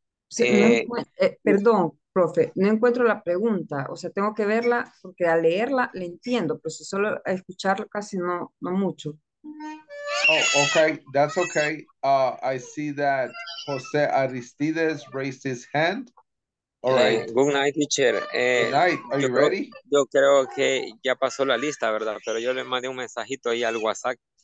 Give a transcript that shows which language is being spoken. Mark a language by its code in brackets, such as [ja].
[es] Sí, perdón, profe, no encuentro la pregunta, o sea, tengo que verla porque al leerla le entiendo, pero si solo a escucharla casi no mucho. [en] Oh, okay, that's okay. I see that José Aristides raised his hand. All right. Good night, teacher. Good night. Are you ready? [es] Yo creo que ya pasó la lista, ¿verdad? Pero yo le mandé un mensajito ahí al WhatsApp.